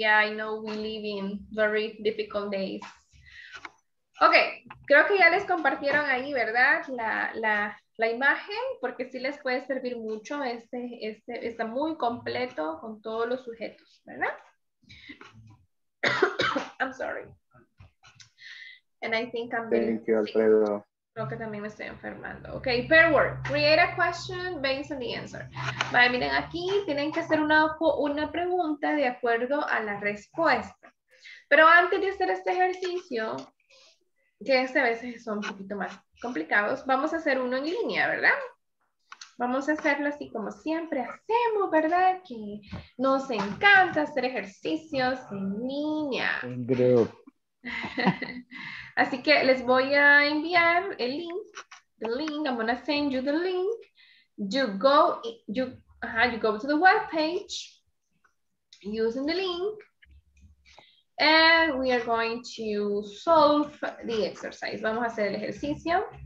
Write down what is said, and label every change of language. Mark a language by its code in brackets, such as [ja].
[en] Yeah, I know we live in very difficult days. [es] Ok, creo que ya les compartieron ahí, ¿verdad? La imagen, porque sí les puede servir mucho. Este está muy completo con todos los sujetos, ¿verdad? [en] I'm sorry. And I think I'm being sick. Thank you, Alfredo. [es] Creo que también me estoy enfermando. [en] Ok, pair work. Create a question based on the answer. [es] Vale, miren aquí, tienen que hacer una pregunta de acuerdo a la respuesta. Pero antes de hacer este ejercicio, que este a veces son un poquito más complicados, vamos a hacer uno en línea, ¿verdad? Vamos a hacerlo así como siempre hacemos, ¿verdad? Que nos encanta hacer ejercicios en línea. Creo. Así que les voy a enviar el link. [en] The link, I'm going to send you the link. You go to the webpage using the link. And we are going to solve the exercise. [es] Vamos a hacer el ejercicio.